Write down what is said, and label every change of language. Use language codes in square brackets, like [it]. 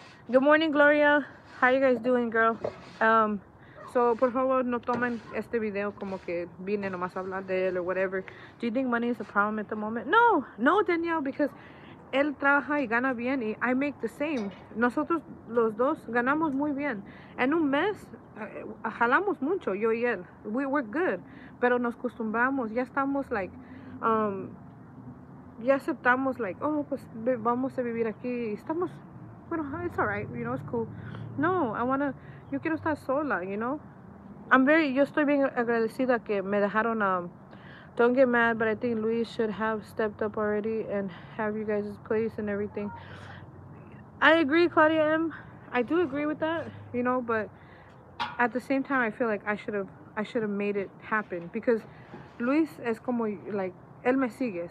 [en] Good morning, Gloria, how you guys doing, girl? [es] So por favor no tomen este video como que vine nomás a hablar de él [en] or whatever. Do you think money is a problem at the moment? [es] No, Danielle, [en] because [es] él trabaja y gana bien, y [en] I make the same. [es] Nosotros los dos ganamos muy bien. En un mes, jalamos mucho, yo y él. [en] We're good. [es] Pero nos acostumbramos, ya estamos, like, ya aceptamos, like, oh, pues vamos a vivir aquí. Estamos, bueno, it's all right, you know, it's cool. No, yo quiero estar sola, [en] you know. [es] Yo estoy bien agradecida que me dejaron a... [en] Don't get mad, but I think Luis should have stepped up already and have you guys' place and everything. I agree, Claudia M. I do agree with that, you know, but at the same time, I feel like I should have made it happen, because Luis [es] es como, [en] like, [es] él me sigue.